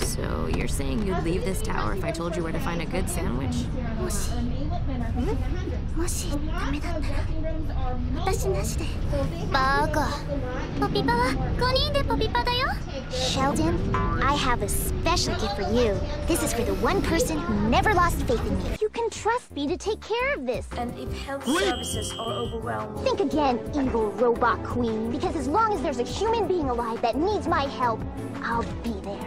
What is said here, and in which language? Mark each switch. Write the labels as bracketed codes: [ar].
[en] So you're saying you'd leave this tower if I told you where to find a good sandwich? [ja] もし、もしダメだったら、私なしで。バカ。ポピパは5人でポピパだよ。 [en] Sheldon, I have a special gift for you. This is for the one person who never lost faith in me. You can trust me to take care of this. And if health services are overwhelmed... Think again, evil robot queen. Because as long as there's a human being alive that needs my help, I'll be there.